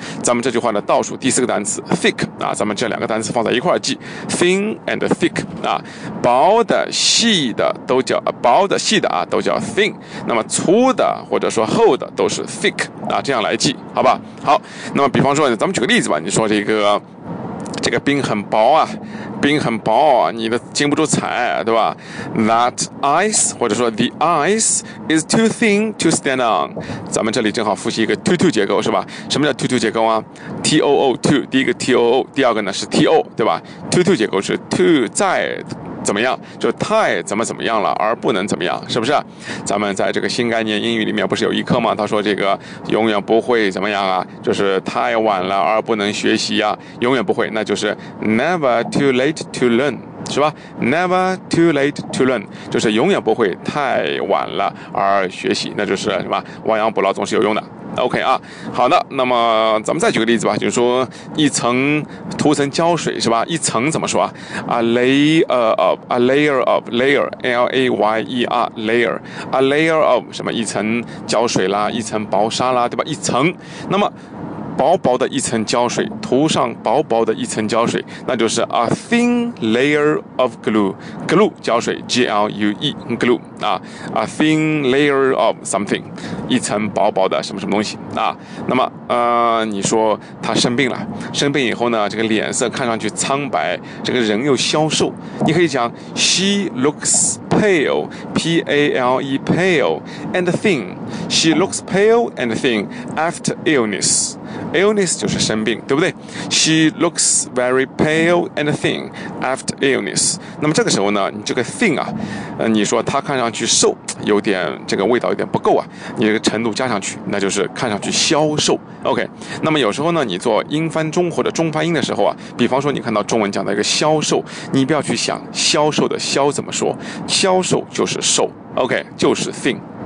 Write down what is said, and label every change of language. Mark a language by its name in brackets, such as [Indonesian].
[Chinese] 咱们这句话的倒数第四个单词 thick 啊，咱们这两个单词放在一块记， thin and thick 啊，薄的细的都叫薄的细的啊都叫 thin， 那么粗的或者说厚的都是 thick 啊，这样来记好吧。好，那么比方说咱们举个例子吧，你说这个冰很薄啊，冰很薄啊，你都经不住踩，对吧？ [English] That ice [Chinese] 或者说 [English] the ice is too thin to stand on， [Chinese] 咱们这里正好复习一个 too too 结构，是吧？什么叫 too too 结构啊？too too 第一个 too， 第二个呢是 to， 对吧？ too too 结构是 too 在怎么样，就太怎么怎么样了而不能怎么样，是不是？咱们在这个新概念英语里面不是有一课吗，他说这个永远不会怎么样啊，就是太晚了而不能学习啊，永远不会，那就是 [English] never too late to learn， [Chinese] 是吧？ [English] never too late to learn [Chinese] 就是永远不会太晚了而学习，那就是什么，亡羊补牢总是有用的。 OK 啊，好的，那么咱们再举个例子吧，就是说一层涂层胶水，是吧？一层怎么说啊？ [English] a layer of [Chinese] L-A-Y-E-R layer， a layer of 什么，一层胶水啦，一层薄纱啦，对吧？一层，那么薄薄的一层胶水，涂上薄薄的一层胶水，那就是 [English] a thin layer of glue， [Chinese] glue 胶水， G-L-U-E glue 啊， [English] a thin layer of something， [Chinese] 一层薄薄的什么什么东西啊。那么你说他生病了，生病以后呢，这个脸色看上去苍白，这个人又消瘦，你可以讲 [English] she looks pale, P-A-L-E, pale and thin. She looks pale and thin after illness. [Chinese] Illness 就是生病，对不对？ [English] She looks very pale and thin after illness. [Chinese] 那么这个时候呢，你这个 thin 啊，你说她看上去瘦，有点这个味道有点不够啊，你这个程度加上去，那就是看上去消瘦。 OK， 那么有时候呢，你做英翻中或者中翻英的时候啊，比方说你看到中文讲的一个消瘦，你不要去想消瘦的消怎么说，消瘦就是瘦 ，OK， 就是 thin。